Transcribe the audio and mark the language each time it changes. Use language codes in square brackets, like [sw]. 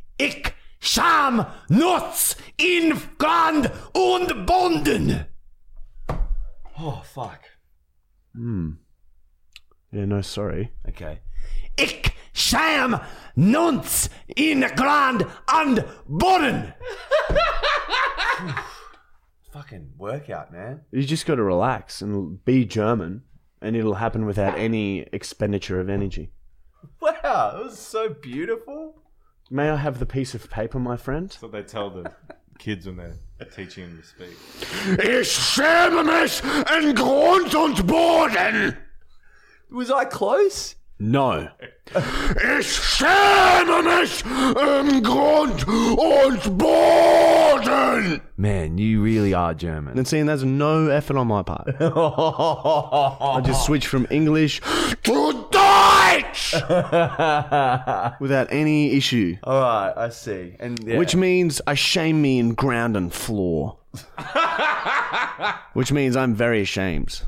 [de] Ich scham nuts in Grand und Bonden. [en] Oh, fuck. Yeah, no, sorry. Okay. [de] Ich scham nuts in Grand und Boden. [en] Fuck, fucking workout, man. You just got to relax and be German, and it'll happen without any expenditure of energy. Wow, that was so beautiful. May I have the piece of paper, my friend? That's what they tell the kids when they're teaching them to speak. [de] Ich schäme mich und grund und boden. [en] Was I close? No. [de] Ich schäme mich im Grund und Boden. [en] Man, you really are German. And seeing there's no effort on my part. I just switched from English to Deutsch. Without any issue. All right, I see. And yeah. Which means I shame me in ground and floor. Which means I'm very ashamed.